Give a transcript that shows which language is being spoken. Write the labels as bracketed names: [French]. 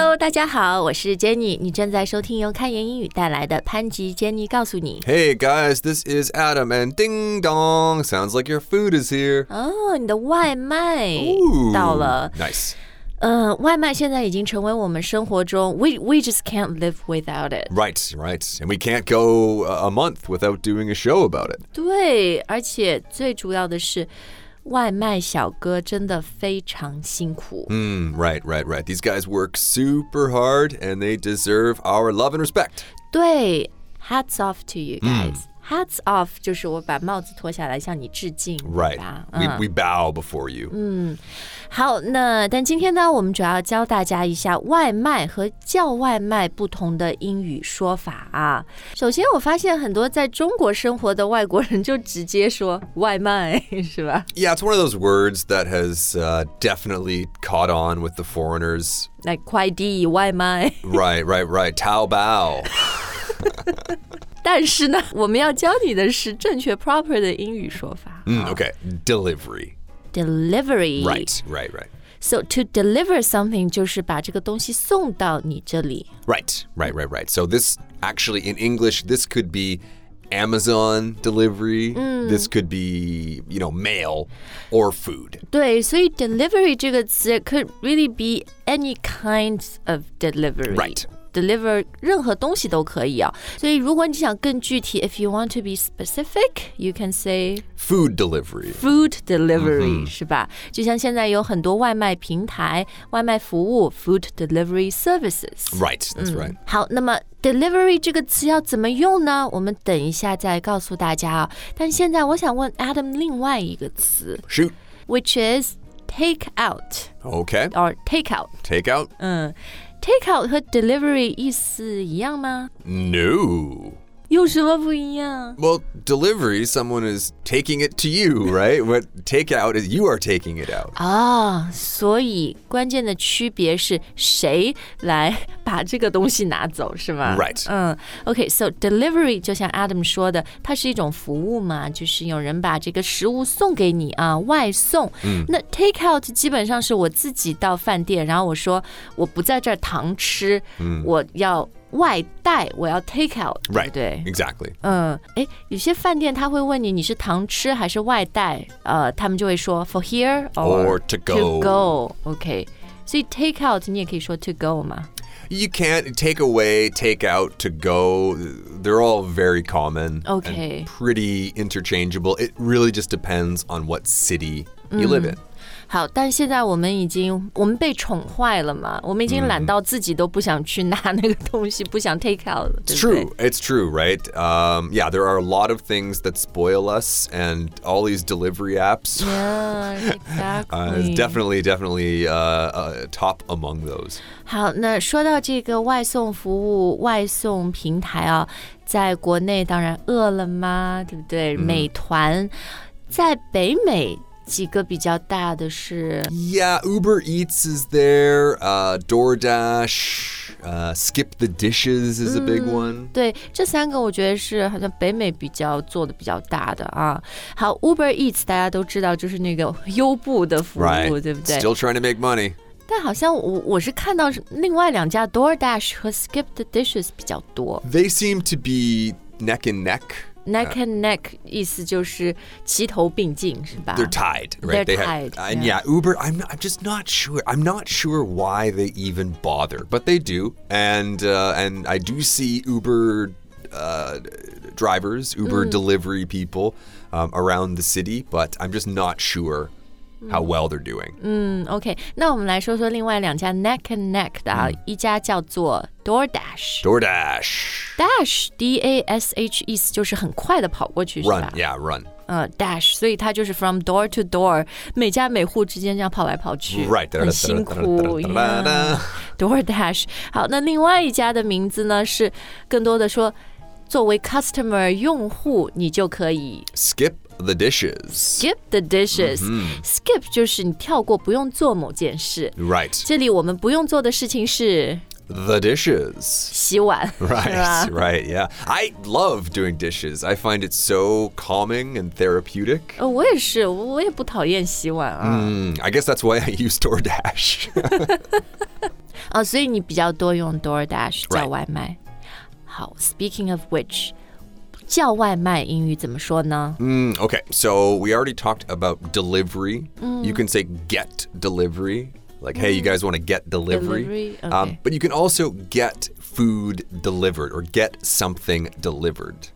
[Chinese] 家好，我是 Jenny， 你正在收听由开言英语带来的潘吉 Jenny 告诉你。 [English] Hey guys, this is Adam and ding dong, sounds like your food is here. [Chinese] 哦、oh, 你的外卖到了。 [English] Ooh, nice. [Chinese] 外卖现在已经成为我们生活中 [English] we just can't live without it. Right, right. And we can't go a month without doing a show about it. [Chinese] 对，而且最主要的是外卖小哥真的非常辛苦。 [English] Right, right, right. These guys work super hard and they deserve our love and respect. 对， hats off to you guys. Hats off, [Chinese] 就是我把帽子脱下来向你致敬。 [English] Right, we bow before you. [Chinese] 好，那但今天呢，我们主要教大家一下外卖和叫外卖不同的英语说法啊。首先，我发现很多在中国生活的外国人就直接说外卖，是吧？ [English] Yeah, it's one of those words that has definitely caught on with the foreigners. [Chinese] Like 快递外卖。 [English] Right, right, right. Taobao. [Chinese] 但是呢，我们要教你的是正确 proper 的英语说法。 [English] Okay, delivery. Delivery. Right, right, right. So to deliver something [Chinese] 就是把这个东西送到你这里。 [English] Right, right, right, right. So this actually in English, this could be Amazon delivery. This could be, you know, mail or food. [Chinese] 对，所以 [English] delivery 这个词 could really be any kind of delivery. Right. [Chinese] Deliver 任何东西都可以啊。所以如果你想更具体 [English] if you want to be specific, you can say food delivery. Food delivery,、mm-hmm. 是吧？ [Chinese] 就像现在有很多外卖平台、外卖服务 [English] food delivery services. Right, that's right. [Chinese] 好，那么Delivery 这个词要怎么用呢？我们等一下再告诉大家啊。但现在我想问 Adam 另外一个词。 [English] Shoot. Which is take out. Okay. Or take out. Take out. [Chinese] Take out 和 delivery 意思一样吗 [English] ？No. [Chinese] 有什么不一样 [English] ？Well, delivery, someone is taking it to you, right? But take out is you are taking it out. [Chinese] 啊、oh, ，所以关键的区别是谁来把这个东西拿走，是吗 [English] ？Right. [Chinese] Okay, so delivery 就像 Adam 说的，它是一种服务嘛，就是有人把这个食物送给你啊，外送。那 take out 基本上是我自己到饭店，然后我说我不在这儿堂吃，我要。外带我要 take out [English] Right, [Chinese] 对 [English] 对 exactly [Chinese] 有些饭店他会问你你是堂吃还是外带他们就会说 [English] for here or to go To go, okay [Chinese] 所以 take out 你也可以说 to go 吗 [English] You can't take away, take out, to go They're all very common Okay Pretty interchangeable It really just depends on what city you live in [Chinese] 好，但现在我们被宠坏了嘛？我们已经懒到自己都不想去拿那个东西，不想 take out 了。 [English] It's true. It's true, right? Yeah, there are a lot of things that spoil us, and all these delivery apps. Yeah, exactly. definitely, top among those. [Chinese] 好，那说到这个外送服务、外送平台啊，在国内当然饿了么，对不对？美团，在北美。几个比较大的是 [English] Yeah, Uber Eats is there, DoorDash, Skip the Dishes is a big one. [Chinese] 对，这三个我觉得是好像北美比较做的比较大的啊。好 ，Uber Eats 大家都知道就是那个优步的服务， [English] right. [Chinese] 对不对 [English] ？Still trying to make money. [Chinese] 但好像我是看到另外两家 DoorDash 和 Skip the Dishes 比较多。 [English] They seem to be neck and neck. [Chinese] Neck and neck 意思就是齐头并进是吧 [English] They're tied, right? They're tied. Uber, I'm just not sure why they even bother, but they do. And I do see Uber drivers, Uber delivery people around the city, but I'm just not sure how well they're doing. [Chinese] OK, 那我们来说说另外两家 neck and neck 的、一家叫做 DoorDash. [English] DoorDash. [Chinese] Dash, D-A-S-H, 意思就是很快的跑过去 [English] run, [Chinese] 是吧 [English] yeah, run. [Chinese] Dash, 所以它就是 [English] from door to door, [Chinese] 每家每户之间这样跑来跑去 [English] Right, [Chinese] 很辛苦 DoorDash. 好，那另外一家的名字呢是更多的说作为 customer 用户你就可以 [English] Skip the dishes. Skip the dishes. [Chinese] Skip 就是你跳过不用做某件事 [English] Right. [Chinese] 这里我们不用做的事情是 [English] The dishes. [Chinese] 洗碗 [English] Right, right, yeah. I love doing dishes. I find it so calming and therapeutic. [Chinese] 我也是，我也不讨厌洗碗啊。 [English] I guess that's why I use DoorDash. [Chinese] 哦，所以你比较多用 DoorDash 叫外卖。 [English] Right. [Chinese] 好 ， [English] Speaking of which， [Chinese] 叫外卖英语怎么说呢？ [English] 嗯 ，Okay， so we already talked about delivery.、 Mm. You can say get delivery, like、mm. hey, you guys want to get delivery. Delivery? Okay. But you can also get food delivered or get something delivered.